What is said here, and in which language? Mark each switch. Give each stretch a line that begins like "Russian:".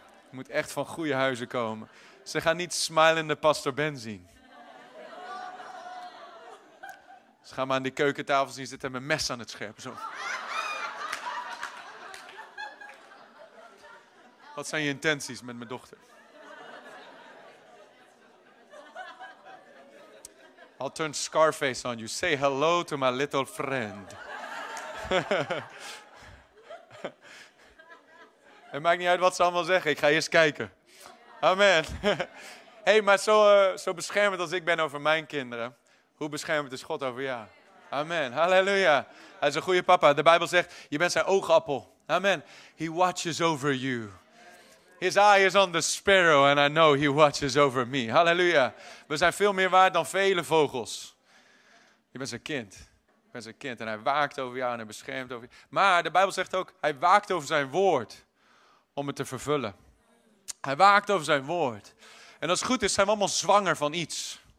Dutch: Je moet echt van goede huizen komen. Ze gaan niet smilende Pastor Ben zien. Ze gaan maar aan die keukentafel zien zitten met een mes aan het scherpen, zo. Wat zijn je intenties met mijn dochter?
English: I'll turn Scarface on you. Say hello to my little friend.
Dutch: Het maakt niet uit wat ze allemaal zeggen. Ik ga eerst kijken. Amen. Hey, maar zo beschermend als ik ben over mijn kinderen, hoe beschermend is God over jou? Amen. Halleluja. Hij is een goede papa. De Bijbel zegt, je bent zijn oogappel.
English: Amen. He watches over you. His eye is on the sparrow and I know he watches over me.
Dutch: Halleluja. We zijn veel meer waard dan vele vogels. Je bent zijn kind. Je bent zijn kind en hij waakt over jou en hij beschermt over je. Maar de Bijbel zegt ook, hij waakt over zijn woord om het te vervullen. Hij waakt over zijn woord. En als het goed is, zijn we allemaal zwanger van iets.